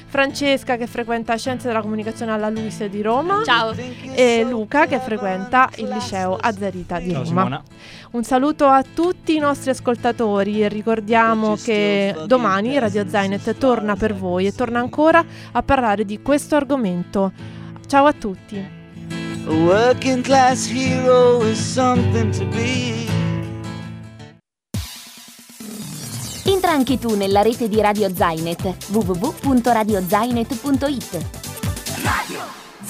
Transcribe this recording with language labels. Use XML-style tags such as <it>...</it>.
<it>Francesca, che frequenta Scienze della Comunicazione alla LUIS di Roma. Ciao. E Luca, che frequenta il liceo Azzarita di Roma. Ciao Simona. Un saluto a tutti i nostri ascoltatori e ricordiamo che domani Radio Zainet torna per voi e torna ancora a parlare di questo argomento. Ciao a tutti.</it> <en>A working class hero is something to be.</en> <it>Entra anche tu nella rete di Radio Zainet www.radiozainet.it. Radio.</it>